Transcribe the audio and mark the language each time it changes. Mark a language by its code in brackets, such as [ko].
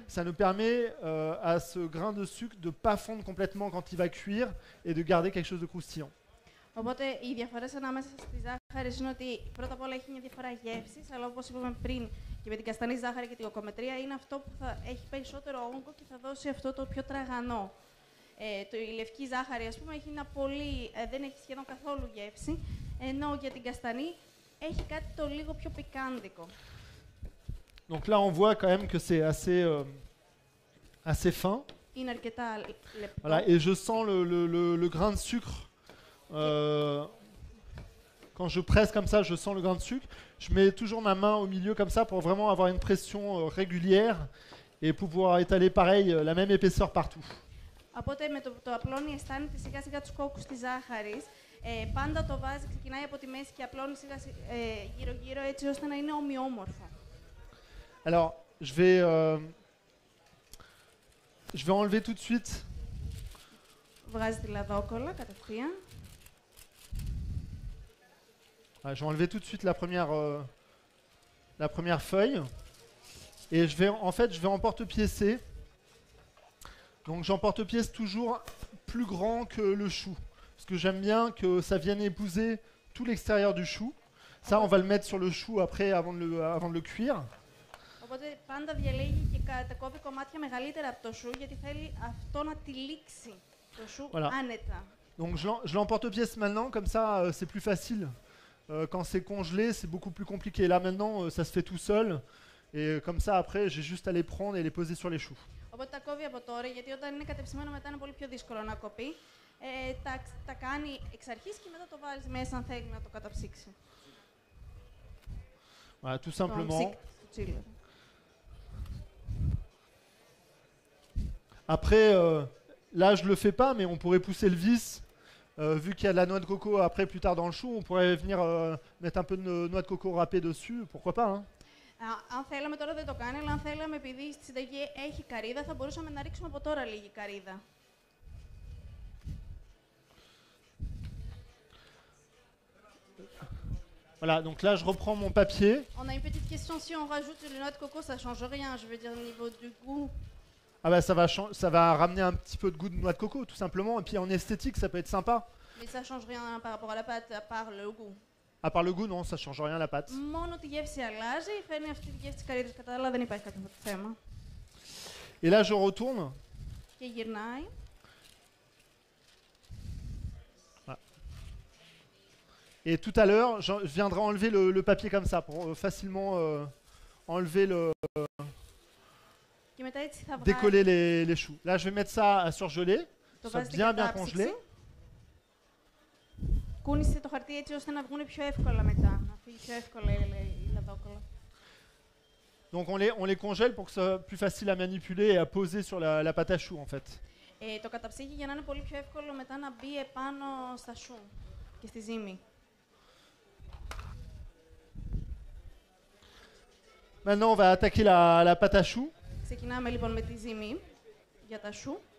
[fr] ça nous permet à ce grain de sucre de ne pas fondre complètement quand il va cuire et de garder quelque chose de croustillant. Donc, les différences entre les sucres, c'est que, d'abord, il y a une différence de goût, mais comme je l'ai dit avant, avec la sucre et la cocométrie, c'est ce qui va avoir plus de goût et va donner ce qui est plus tragano. [el] Η λευκή ζάχαρη, ας πούμε, έχει ένα πολύ, δεν έχει σχεδόν καθόλου γεύση, ενώ για την καστανή έχει κάτι το λίγο πιο πικάντικο. [fr] Donc là, on voit quand même que c'est assez, assez fin. [el] Είναι αρκετά λεπτό. [fr] Voilà, et je sens le grain de sucre. Quand je presse comme ça, je sens le grain de sucre. Je mets toujours ma main au milieu comme ça pour vraiment avoir une pression régulière et pouvoir étaler pareil, la même épaisseur partout. [el] Οπότε με το απλώνει αισθάνεται σιγά σιγά τους κόκκους της ζάχαρης. Πάντα το βάζει, ξεκινάει από τη μέση και απλώνει σιγά σιγά γύρω γύρω έτσι ώστε να είναι ομοιόμορφο. [fr] Alors, je vais enlever tout de suite. [el] Βγάζει τη λαδόκολλα κατευθείαν. [fr] Je vais enlever tout de suite la première feuille. Et je vais en porte-piécer. Donc j'emporte-pièce toujours plus grand que le chou. Parce que j'aime bien que ça vienne épouser tout l'extérieur du chou. Ça, on va le mettre sur le chou après, avant de le cuire. [el] Οπότε πάντα διαλέγει και κατακόβει κομμάτια μεγαλύτερα από το σου, γιατί θέλει αυτό να τυλίξει το σου άνετα. [fr] Donc je l'emporte-pièce maintenant, comme ça c'est plus facile. Quand c'est congelé, c'est beaucoup plus compliqué. Là maintenant, ça se fait tout seul. Et comme ça, après, j'ai juste à les prendre et les poser sur les choux. [el] Οπότε τα κόβει από τώρα, γιατί όταν είναι κατεψημένο μετά είναι πολύ πιο δύσκολο να κοπεί. Τα κάνει εξ αρχής και μετά το βάζει μέσα αν θέλει να το καταψύξει. [fr] Voilà, tout simplement. Après, là je le fais pas, mais on pourrait pousser le vis. Vu qu'il y a de la noix de coco après plus tard dans le chou, on pourrait venir mettre un peu de noix de coco râpée dessus, pourquoi pas, hein. [el] Αν θέλαμε τώρα δεν το κάνει, αλλά αν θέλαμε επειδή στη συνταγή έχει καρύδα, θα μπορούσαμε να ρίξουμε από τώρα λίγη καρύδα. [fr] Voilà, donc là je reprends mon papier. On a une petite question, si on rajoute le noix de coco, ça change rien, je veux dire au niveau du goût. Ah bah ça va ramener un petit peu de goût de noix de coco, tout simplement, et puis en esthétique ça peut être sympa. Mais ça change rien par rapport à la pâte, à part le goût. À part le goût, non, ça change rien la pâte. [el] Μόνο τη γεύση αλλάζει, φέρνει αυτή τη γεύση καρύδες, κατάλαβα, δεν υπάρχει κάποιο θέμα. [fr] Et là, je retourne. [el] Και γυρνάει. [fr] Et tout à l'heure, je viendrai enlever le papier comme ça pour facilement enlever le. Décoller les choux. Là, je vais mettre ça à surgeler. Ça va bien, bien congeler. [el] Κούνησε το χαρτί έτσι ώστε να βγουν πιο εύκολα μετά. Να φύγει πιο εύκολα η λαδόκολα. [fr] Donc on les congèle pour que ça soit plus facile à manipuler et à poser sur la pâte à choux en fait. [el] Το καταψύγει για να είναι πολύ πιο εύκολο μετά να μπει επάνω στα σού και στη ζύμη. [fr] Maintenant on va attaquer la pâte à choux. [el] Ξεκινάμε λοιπόν με τη ζύμη για τα σού.